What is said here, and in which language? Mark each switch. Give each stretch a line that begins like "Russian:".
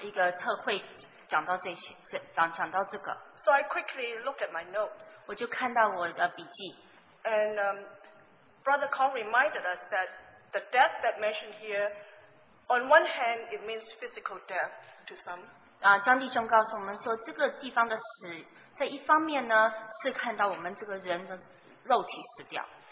Chinese: 我记得江弟兄在一个特会讲到这个。
English: So I quickly looked at my notes.
Chinese: 我就看到我的笔记。
English: And Brother Kong reminded us that the death that mentioned here, on one hand, it means physical death to some.
Chinese: 江弟兄告诉我们说，这个地方的死，在一方面呢，是看到我们这个人的肉体死掉。